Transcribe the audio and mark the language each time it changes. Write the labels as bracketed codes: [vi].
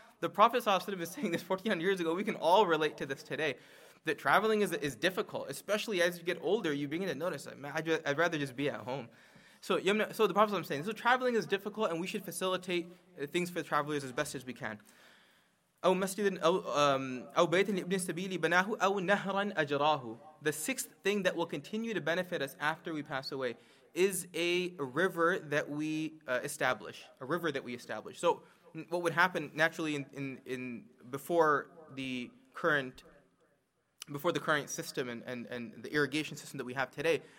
[en] The Prophet ﷺ is saying this 1,400 years ago. We can all relate to this today. That traveling is difficult, especially as you get older, you begin to notice that, man, I'd rather just be at home. So the Prophet, I'm saying, so traveling is difficult, and we should facilitate things for the travelers as best as we can. [ar] أو مسجدًا أو بيتًا لابن السبيل بناه أو نهرًا أجراه. [en] The sixth thing that will continue to benefit us after we pass away is a river that we establish, a river that we establish. So what would happen naturally in before the current system and the irrigation system that we have today.